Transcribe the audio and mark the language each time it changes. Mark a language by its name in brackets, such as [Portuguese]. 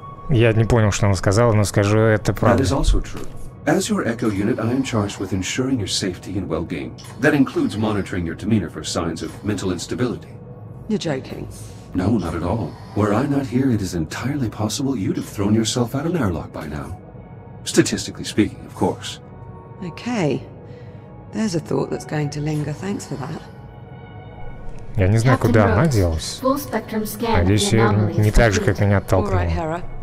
[Russian] Я не понял, что она сказала, но скажу это правда. [English] That is also true. As your Echo unit, I am charged with ensuring your safety and well-being. That includes monitoring your demeanor for signs of mental instability. You're joking. No, not at all. Were I not here, it is entirely possible you'd have thrown yourself out an airlock by now. Statistically speaking, of course. Okay. There's a thought that's going to linger. Thanks for that. [Russian] Я не знаю, куда она делась. [English] Full spectrum scan. [Russian] Надеюсь, ее не так же, как меня оттолкнула.